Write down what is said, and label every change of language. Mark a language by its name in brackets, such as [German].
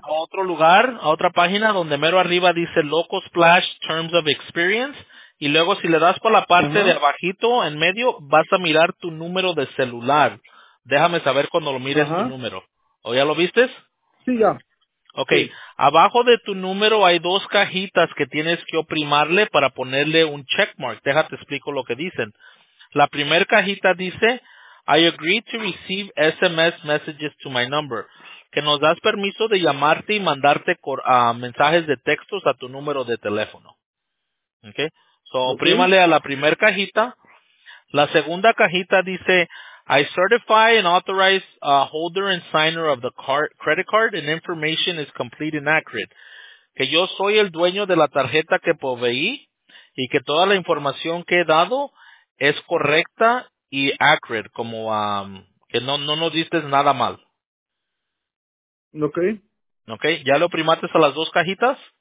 [Spanish] a otro lugar, a otra página, donde mero arriba dice Local Splash Terms of Experience, y luego si le das por la parte uh-huh. de abajito, en medio, vas a mirar tu número de celular. Déjame saber cuando lo mires uh-huh. tu número. ¿O ya lo viste? Sí, ya. Ok, sí. Abajo de tu número hay dos cajitas que tienes que oprimarle para ponerle un checkmark. Déjate explico lo que dicen. La primera cajita dice, [English] I agree to receive SMS messages to my number. [Spanish] Que nos das permiso de llamarte y mandarte mensajes de textos a tu número de teléfono. Ok. So, oprímale a la primera cajita. La segunda cajita dice, [English] I certify and authorize a holder and signer of the credit card and information is complete and accurate. [Spanish] Que yo soy el dueño de la tarjeta que proveí y que toda la información que he dado es correcta y accurate, como que no nos diste nada mal. Okay. Okay, ¿ya lo primaste a las dos cajitas?